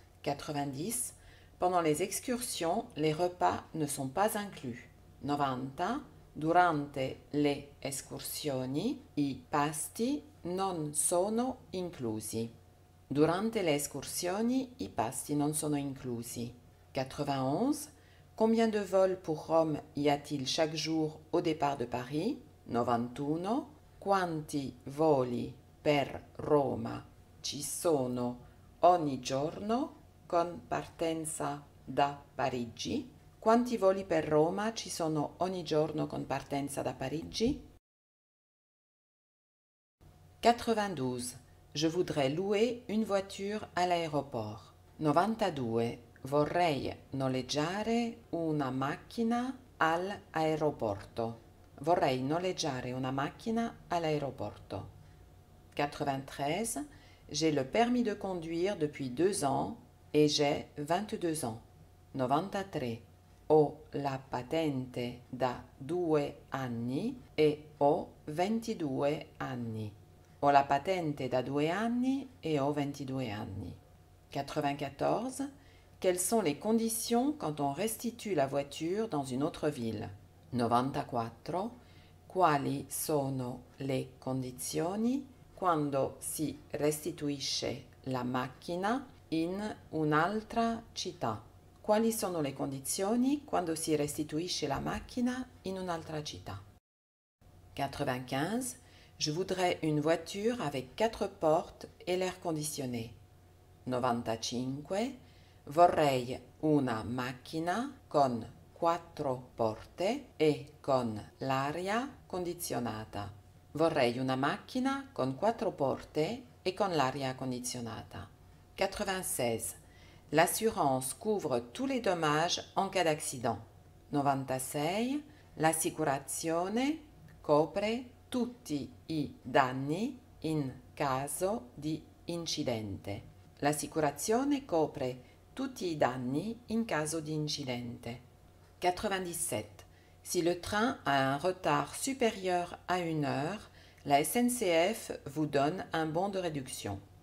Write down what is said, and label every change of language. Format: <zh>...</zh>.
<fr>90. Pendant les excursions, les repas ne sont pas inclus.</fr> <it>90. Durante le escursioni, i pasti non sono inclusi. Durante le escursioni, i pasti non sono inclusi.</it> <fr>91. Combien de vols pour Rome y a-t-il chaque jour au départ de Paris?</fr> <it>91. Quanti voli per Roma ci sono ogni giorno con partenza da Parigi? Quanti voli per Roma ci sono ogni giorno con partenza da Parigi?</it> <fr>92. Je voudrais louer une voiture à l'aéroport.</fr> <it>92. Vorrei noleggiare una macchina all'aeroporto. Vorrei noleggiare una macchina all'aeroporto.</it> <fr>93. J'ai le permis de conduire depuis 2 ans et j'ai 22 ans.</fr> <it>93. Ho la patente da 2 anni e ho 22 anni. Ho la patente da 2 anni e ho 22 anni.</it> <fr>94. Quelles sont les conditions quand on restitue la voiture dans une autre ville?</fr> <it>94. Quali sono le condizioni quando si restituisce la macchina in un'altra città? Quali sono le condizioni quando si restituisce la macchina in un'altra città?</it> <fr>95. Je voudrais une voiture avec quatre portes et l'air conditionné.</fr> <it>95. Vorrei una macchina con quattro porte e con l'aria condizionata. Vorrei una macchina con quattro porte e con l'aria condizionata.</it> <fr>96. L'assurance couvre tous les dommages en cas d'accident.</fr> <it>96. L'assicurazione copre tutti i danni in caso di incidente. L'assicurazione copre tutti i danni in caso di incidente.</it> <fr>97. Si le train a un retard supérieur à une heure, la SNCF vous donne un bon de réduction.</fr>